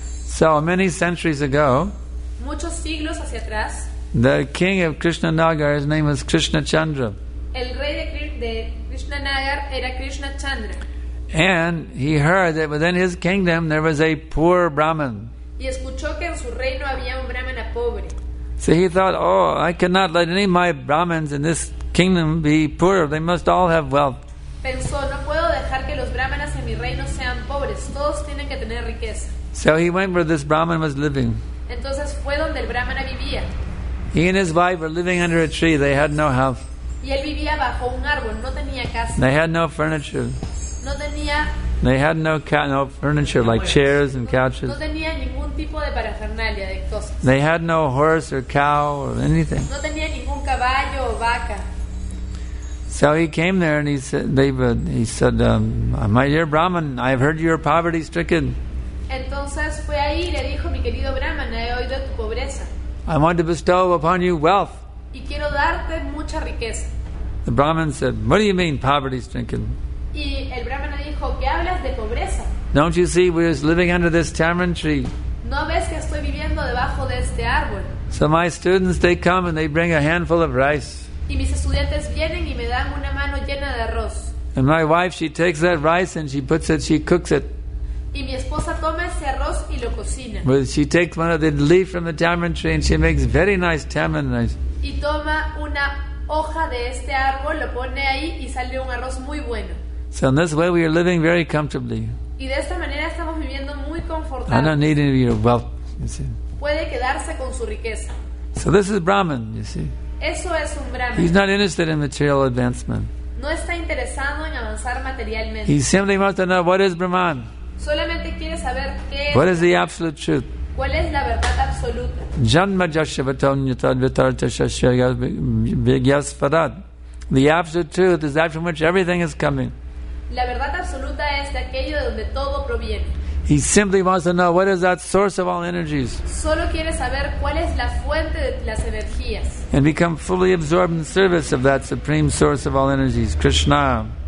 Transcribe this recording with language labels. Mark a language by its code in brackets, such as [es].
[en] So many centuries ago, [es] muchos siglos hacia atrás, [en] the king of Krishnanagar, his name was Krishnachandra. [es] El rey de Krishnanagar era Krishnachandra. [en] And he heard that within his kingdom there was a poor Brahmin. [es] Y escuchó que en su reino había un Brahmana pobre. [en] So he thought, oh, I cannot let any of my Brahmins in this kingdom be poor. They must all have wealth. [es] Pensó, no puedo dejar que los Brahmanas en mi reino sean pobres. Todos tienen que tener riqueza. [en] So he went where this Brahmin was living. [es] Entonces fue donde el Brahmana vivía. [en] He and his wife were living under a tree. They had no house. [es] Y él vivía bajo un árbol. No tenía casa. [en] They had no furniture. [es] No tenía. [en] They had no furniture like chairs and couches. [es] No tenía ningún tipo de parafernalia de cosas. [en] They had no horse or cow or anything. [es] No tenía ningún caballo o vaca. [en] So he came there and he said, my dear Brahman, I have heard you are poverty stricken. [es] Entonces fue ahí y le dijo, mi querido Brahman, he oído tu pobreza. [en] I want to bestow upon you wealth. [es] Y quiero darte mucha riqueza. [en] The Brahman said, what do you mean poverty stricken? [es] Y el Brahmana dijo, ¿qué hablas de pobreza? [en] Don't you see we're living under this tamarind tree? [es] ¿No ves que estoy viviendo debajo de este árbol? [en] So my students, they come and they bring a handful of rice. [es] Y mis estudiantes vienen y me dan una mano llena de arroz. [en] And my wife, she takes that rice and she puts it, she cooks it. [es] Y mi esposa toma ese arroz y lo cocina. [en] Well, she takes one of the leaves from the tamarind tree and she makes very nice tamarind rice. [es] Y toma una hoja de este árbol, lo pone ahí y sale un arroz muy bueno. [en] So in this way we are living very comfortably. [es] Y de esta manera estamos viviendo muy confortable. [en] I don't need any of your wealth, you see. [es] Puede quedarse con su riqueza. [en] So this is Brahman, you see. [es] Eso es un Brahman. [en] He's not interested in material advancement. [es] No está interesado en avanzar materialmente. [en] He simply wants to know what is Brahman. [es] Solamente quiere saber qué es. [en] What is the absolute truth? [es] ¿Cuál es la verdad absoluta? [sa] Janma jashavatanyata vitarta shashya vigyasparat. [en] The absolute truth is that from which everything is coming. [es] La verdad absoluta es de aquello de donde todo proviene. [en] He simply wants to know what is that source of all energies. [es] Solo quiere saber cuál es la fuente de las energías. [en] And become fully absorbed in service of that supreme source of all energies, Krishna.